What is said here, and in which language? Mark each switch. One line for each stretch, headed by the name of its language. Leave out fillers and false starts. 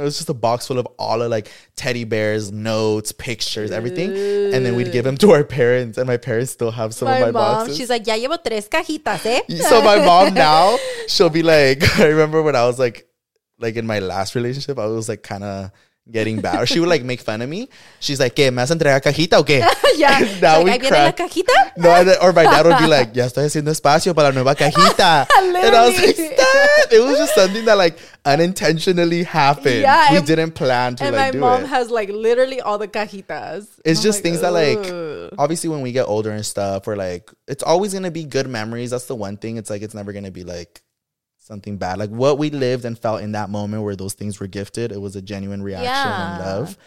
English: It was just a box full of all of, like, teddy bears, notes, pictures, everything. Ooh. And then we'd give them to our parents, and my parents still have some of my boxes. She's like,
Spanish: ya llevo tres cajitas, eh?
English: So my mom now, she'll be like, I remember when I was, like, in my last relationship, I was, like, kind of getting bad. She would, like, make fun of me. She's like,
Spanish: ¿qué? ¿Me has entregado cajita o qué?
English: Yeah. And now, like, we crack.
Spanish: La cajita?
English: No, or my dad would be like,
Spanish: ya estoy haciendo espacio para la nueva cajita.
English: And I was like, stop. It was just something that, like, unintentionally happened. Yeah, we didn't plan to, like, do it. And my mom has, like, literally all the cajitas. It's just things that, like, obviously when we get older and stuff, we're like, it's always going to be good memories. That's the one thing. It's like, it's never going to be, like, something bad. Like, what we lived and felt in that moment where those things were gifted, it was a genuine reaction, yeah, and love.